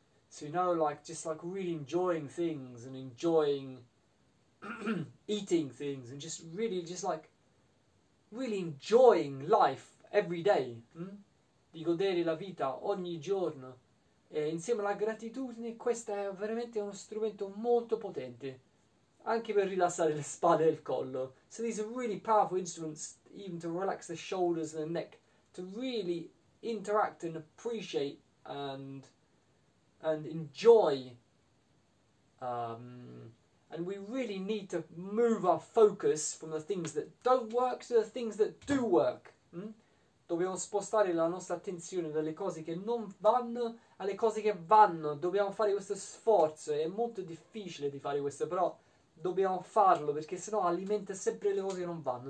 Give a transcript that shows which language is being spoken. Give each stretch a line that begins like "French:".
English: So, you know, like just like really enjoying things and enjoying eating things and just really just like really enjoying life every day,
Italian: Di godere la vita ogni giorno. E insieme alla gratitudine, questo è veramente uno strumento molto potente anche per rilassare le spalle e il collo.
English: So, these are really powerful instruments even to relax the shoulders and the neck, to really interact and appreciate and enjoy, and we really need to move our focus from the things that don't work to the things that do work.
Italian: Dobbiamo spostare la nostra attenzione dalle cose che non vanno alle cose che vanno. Dobbiamo fare questo sforzo. È molto difficile di fare questo, però dobbiamo farlo perché sennò alimenta sempre le cose che non vanno.